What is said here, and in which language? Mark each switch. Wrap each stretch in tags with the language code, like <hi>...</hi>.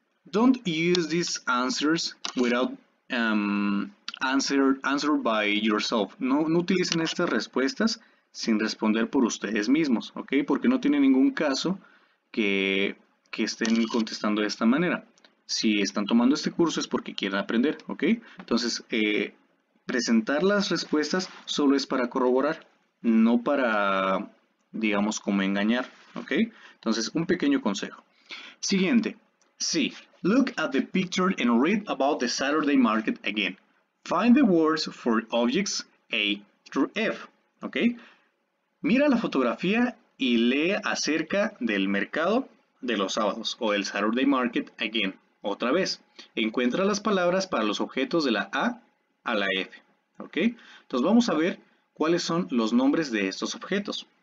<en>Don't use these answers without answer by yourself.</en> <es>No utilicen estas respuestas sin responder por ustedes mismos, ¿ok? Porque no tiene ningún caso que estén contestando de esta manera. Si están tomando este curso es porque quieren aprender, ¿ok? Entonces, presentar las respuestas solo es para corroborar, no para, digamos, como engañar, ¿ok? Entonces, un pequeño consejo. Siguiente. Sí.</es> <en>Look at the picture and read about the Saturday market again. Find the words for objects A through F.</en> <es>¿Ok? Mira la fotografía y lee acerca del mercado de los sábados o el Saturday market again. Otra vez. Encuentra las palabras para los objetos de la A a la F. ¿Ok? Entonces vamos a ver cuáles son los nombres de estos objetos.</es>